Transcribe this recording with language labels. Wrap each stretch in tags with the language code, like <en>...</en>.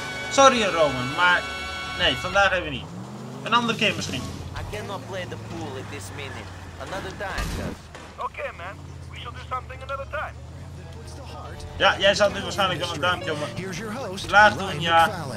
<nl>Sorry Roman, maar nee, vandaag even niet. Een andere keer misschien.</nl> <en>I cannot play the pool at this minute. Another time, okay, man. We shall do something another time.</en> <nl>Ja, jij zat nu waarschijnlijk wel een duimpje om het laag doen, ja.</nl>